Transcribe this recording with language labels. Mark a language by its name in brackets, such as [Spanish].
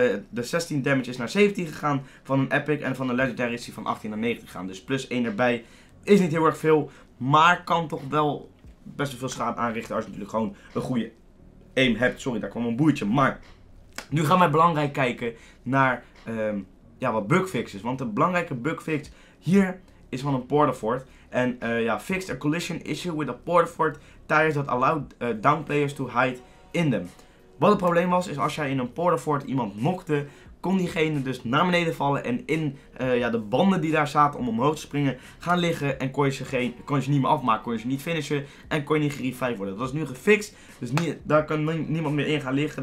[Dutch] De 16 damage is naar 17 gegaan. Van een epic en van een legendary is die van 18 naar 19 gegaan. Dus plus 1 erbij is niet heel erg veel. Maar kan toch wel best wel veel schade aanrichten als je natuurlijk gewoon een goede aim hebt. Sorry, daar kwam een boertje. Maar nu gaan wij belangrijk kijken naar wat bugfixes. Want de belangrijke bugfix hier is van een Porter Fort. [English] En fixed a collision issue with a Porter Fort tires that allowed down players to hide in them. [Dutch] Wat het probleem was, is als jij in een Porter Fort iemand nokte, kon diegene dus naar beneden vallen en in de banden die daar zaten om omhoog te springen gaan liggen. En kon je ze niet meer afmaken, kon je ze niet finishen en kon je niet gerevived worden. Dat is nu gefixt, dus daar kan niemand meer in gaan liggen.